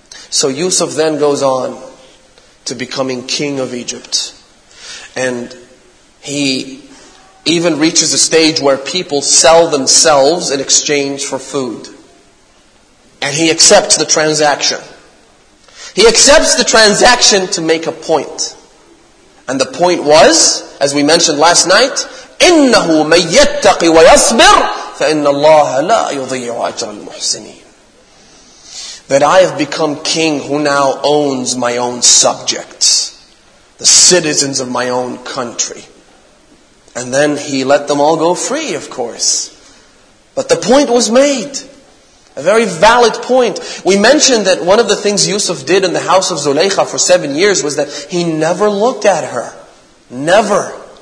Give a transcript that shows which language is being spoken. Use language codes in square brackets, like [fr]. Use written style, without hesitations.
[en] So Yusuf then goes on to becoming king of Egypt. And he even reaches a stage where people sell themselves in exchange for food. And he accepts the transaction. He accepts the transaction to make a point. And the point was, as we mentioned last night, [ar] إِنَّهُ مَنْ يَتَّقِ وَيَصْبِرْ فَإِنَّ اللَّهَ لَا يُضِيعُ أَجْرَ الْمُحْسِنِينَ. [en] That I have become king who now owns my own subjects, the citizens of my own country. And then he let them all go free, of course. But the point was made. A very valid point. We mentioned that one of the things Yusuf did in the house of Zuleikha for 7 years was that he never looked at her. Never.